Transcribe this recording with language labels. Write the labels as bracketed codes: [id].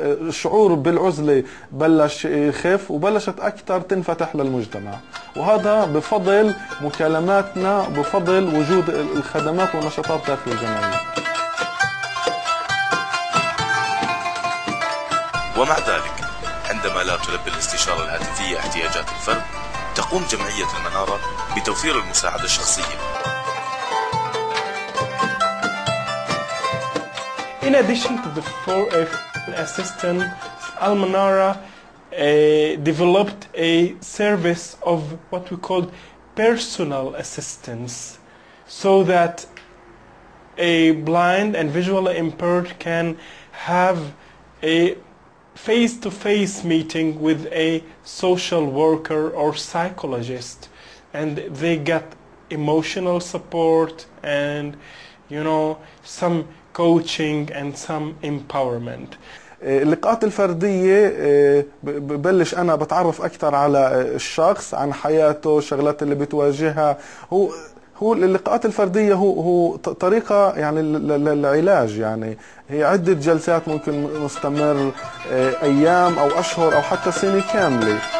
[ar] شعور بالعزلة بلش يخف وبلشت أكثر تنفتح للمجتمع، وهذا بفضل مكالماتنا، بفضل وجود الخدمات والنشاطات داخل الجمعية. ومع ذلك عندما لا تلبي الاستشارة الهاتفية احتياجات الفرد، تقوم جمعية المنارة بتوفير المساعدة الشخصية. [en] In addition to the 4F assistant, Almanara developed a service of what we call personal assistance, so that a blind and visually impaired can have a face-to-face meeting with a social worker or psychologist, and they get emotional support and, you know, some coaching and some empowerment. [ar] اللقاءات الفردية ببلش أنا بتعرف أكثر على الشخص، عن حياته، الشغلات اللي بتواجهها. هو اللقاءات الفردية هو طريقة يعني للعلاج، يعني هي عدة جلسات ممكن مستمر أيام أو أشهر أو حتى سنة كاملة.